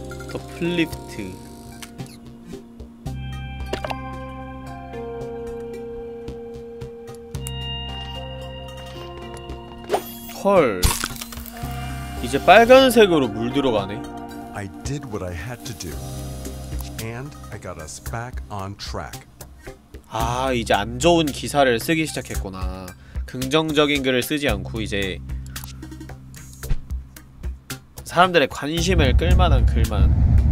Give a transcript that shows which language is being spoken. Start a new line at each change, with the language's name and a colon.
English: 더 플립트.
Korean: 헐, 이제 빨간색으로 물들어가네.
English: I did what I had to do, and I got us back on track.
Korean: 아, 이제 안 좋은 기사를 쓰기 시작했구나. 긍정적인 글을 쓰지 않고 이제 사람들의 관심을 끌만한 글만.